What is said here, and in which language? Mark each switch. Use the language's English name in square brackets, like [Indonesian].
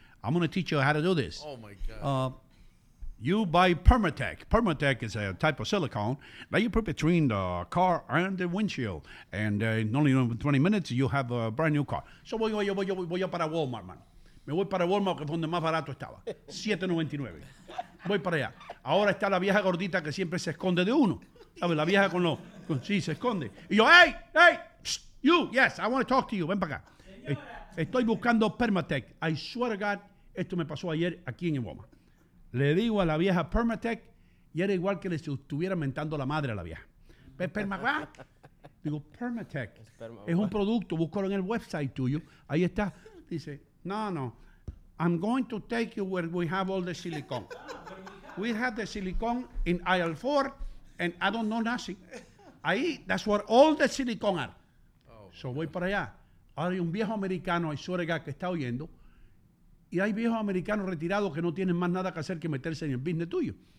[English] I'm going to teach you how to do this. Oh, my God. You buy Permatech. Permatech is a type of silicone that you put between the car and the windshield. And in only 20 minutes, you have a brand new car. [Spanish] So, voy para Walmart, man. Me voy para Walmart, que fue donde más barato estaba. $7.99. Voy para allá. Ahora está la vieja gordita que siempre se esconde de uno. ¿Sabes? La vieja sí, se esconde. Y yo, [English] hey, you, yes, I want to talk to you. [Spanish] Ven para acá. Estoy buscando Permatech. [English] I swear to God, [Spanish] esto me pasó ayer aquí en Iwoma. Le digo a la vieja Permatech y era igual que le estuviera mentando la madre a la vieja. ¿Permatech? Digo, Permatech. Es un producto. Búscalo en el website tuyo. Ahí está. Dice, no, [English] I'm going to take you where we have all the silicone. We have the silicone in aisle 4, and I don't know nothing. Ahí, that's where all the silicone are. [Spanish] So voy para allá. Ahora hay un viejo americano, hay suerga que está oyendo, y hay viejos americanos retirados que no tienen más nada que hacer que meterse en el business tuyo.